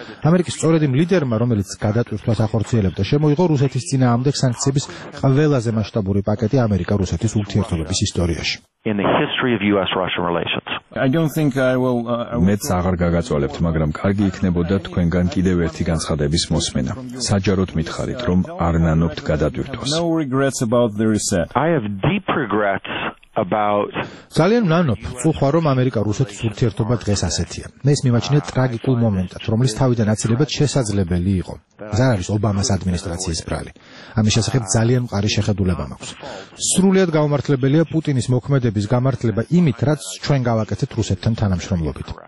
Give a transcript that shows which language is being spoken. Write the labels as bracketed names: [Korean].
[Georgian] ამერიკის სწორედ იმ ლიდერმა, რომელიც გადატვირთვას ახორციელებდა, შემოიღო რუსეთის წინააღმდეგ სანქციების ყველაზე მასშტაბური პაკეტი ამერიკა-რუსეთის ურთიერთობების ისტორიაში. [English] In the history of US-Russian relations. I don't think I will [Georgian] მეც აღარ გაგაცვალებთ, მაგრამ კარგი იქნებოდა თქვენგან კიდევ ერთი განცხადების მოსმენა. საჯაროდ მითხარით, რომ არ ნანობთ გადატვირთვას. [English] No regrets about the reset. I have deep regrets about [Georgian] ძალიან ნანობ, წუხარ რომ ამერიკა-რუსეთის ურთიერთობა დღეს ასეთია. მე ის მიმაჩნია ტრაგიკულ მომენტად, რომლის თავიდან აცილებად შესაძლებელი იყო. ზარ არის ობამას ადმინისტრაციის ბრალი. ამის შესახებ ძალიან მყარი შეხედულება მაქვს. სრულიად გაუმართლებელია პუტინის მოქმედების გამართლება იმით, რაც ჩვენ გავაკეთეთ რუსეთთან თანამშრომლობით.